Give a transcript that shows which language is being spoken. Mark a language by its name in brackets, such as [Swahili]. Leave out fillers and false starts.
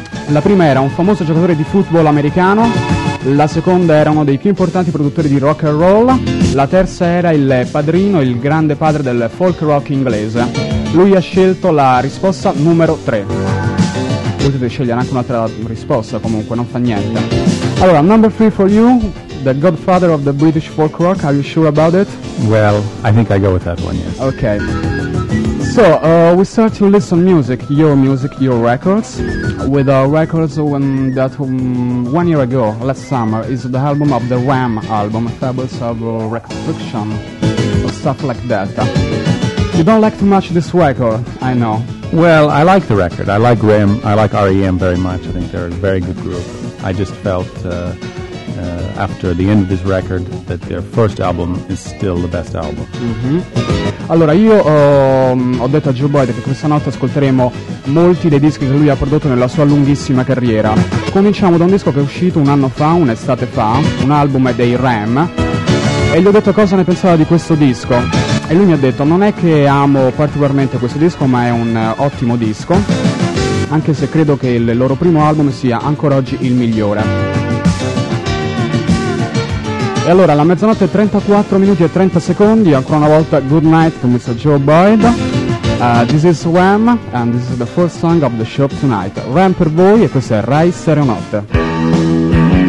[Italian] La prima era un famoso giocatore di football americano, la seconda era uno dei più importanti produttori di rock and roll, la terza era il padrino, il grande padre del folk rock inglese. Lui ha scelto la risposta numero 3. Potete scegliere anche un'altra risposta, comunque non fa niente. [English] Allora, number three for you, the godfather of the British folk rock, are you sure about it? Well, I think I go with that one, yes. Okay. So, we start to listen music, your records, with our records when that 1 year ago, last summer, is the album of the Ram album, Fables of Reconstruction, or stuff like that. You don't like too much this record, I know. Well, I like the record. I like REM. I like REM very much. I think they're a very good group. I just felt after the end of this record that their first album is still the best album. Mm-hmm. [Italian] Allora, io ho detto a Joe Boyd che questa notte ascolteremo molti dei dischi che lui ha prodotto nella sua lunghissima carriera. Cominciamo da un disco che è uscito un anno fa, un'estate fa, un album dei REM, e gli ho detto cosa ne pensava di questo disco. E lui mi ha detto, non è che amo particolarmente questo disco, ma è un ottimo disco, anche se credo che il loro primo album sia ancora oggi il migliore. E allora, la mezzanotte 34 minuti e 30 secondi, ancora una volta, [English] good night to Mr. Joe Boyd. This is Ram, and this is the first song of the show tonight. [Italian] Ram per voi, e questo è Rai Stereo Notte.